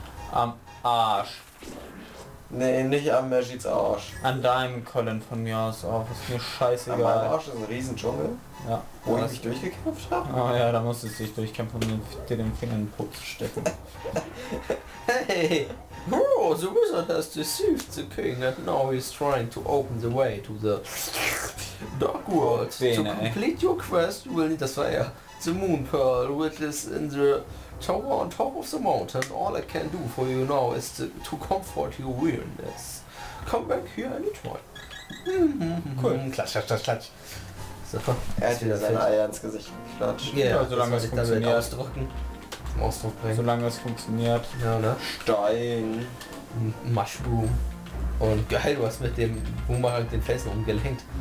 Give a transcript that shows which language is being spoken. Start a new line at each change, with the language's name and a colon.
German: Am Arsch. Nee, nicht am Majids Arsch. An deinem Colin von mir aus auch, ist mir scheißegal. An meinem Arsch ist ein Riesendschungel. Ja. Wo ich mich durchgekämpft habe? Oh ja, da musstest du dich durchkämpfen, um dir den Finger in den Po zu stecken. Hey!
English: Oh, the wizard has deceived the king and now he's trying to open the way to the Dark World. Bene. To complete your quest, you will need,
German: das war ja,
English: the Moon Pearl, which is in the tower on top of the mountain. All I can do for you now is to comfort your weirdness. Come back here anytime.
German: Cool. Klatsch, klatsch, klatsch. So, er hat wieder seine Eier ins Gesicht geklatscht.
English: Yeah,
German: ja, solange es funktioniert. Ausdrucken. zum Ausdruck bringen. Solange es funktioniert. Ja, ne? Stein.
English: Mushroom.
German: Und geil, du hast mit dem Boomerang den Felsen umgelenkt.